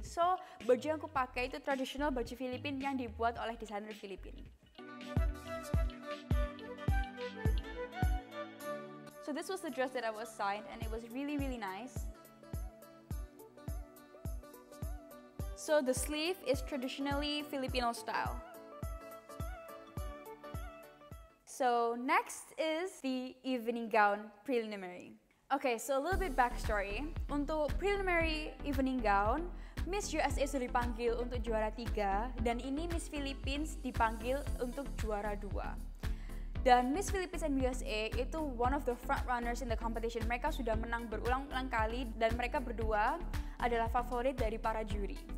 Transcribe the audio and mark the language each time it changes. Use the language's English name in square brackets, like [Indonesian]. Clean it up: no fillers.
[Indonesian] So baju yang aku pakai itu traditional baju Filipina yang dibuat oleh desainer Filipina. [English] So this was the dress that I was signed and it was really really nice. So the sleeve is traditionally Filipino style. So next is the evening gown preliminary. Okay, so a little bit backstory. [Indonesian] Untuk preliminary evening gown, Miss USA sudah dipanggil untuk juara 3 dan ini Miss Philippines dipanggil untuk juara 2. [English] Dan Miss Philippines and USA itu one of the front runners in the competition. [Indonesian] Mereka sudah menang berulang-ulang kali dan mereka berdua adalah favorit dari para juri.